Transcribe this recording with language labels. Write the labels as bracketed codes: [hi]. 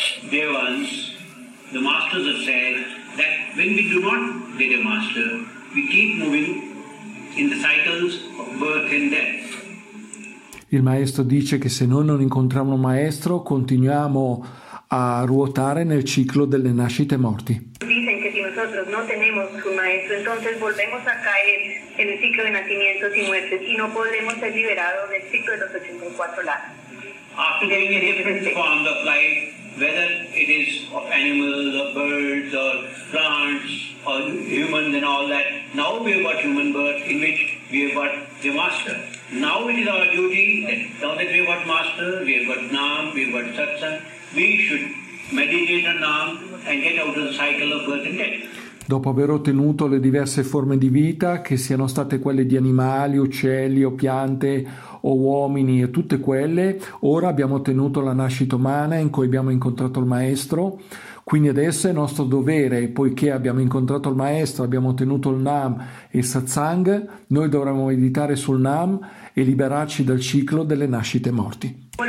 [en] Dear ones, the masters have said that when we do not get a master, we keep moving in the cycles of birth and death. [it] Il maestro dice che se noi non incontriamo un maestro, continuiamo a ruotare nel ciclo delle nascite e morti. [es] Dicen que si nosotros no tenemos un maestro, entonces volvemos a caer en el ciclo de nacimientos y muertes y no podremos ser liberados del ciclo de los 84 lados. [en] After being in different forms of life, whether it is of animals or birds or plants or humans and all that, now we have got human birth in which we have got the master. Now it is our duty that now that we have got master, we have got Nam, we have got Satsang, we should meditate on them and get out of the cycle of birth and death. [it] Dopo aver ottenuto le diverse forme di vita, che siano state quelle di animali, uccelli o piante o uomini e tutte quelle, ora abbiamo ottenuto la nascita umana in cui abbiamo incontrato il Maestro. Quindi adesso è nostro dovere, poiché abbiamo incontrato il Maestro, abbiamo ottenuto il Nam e il Satsang, noi dovremmo meditare sul Nam e liberarci dal ciclo delle nascite morti.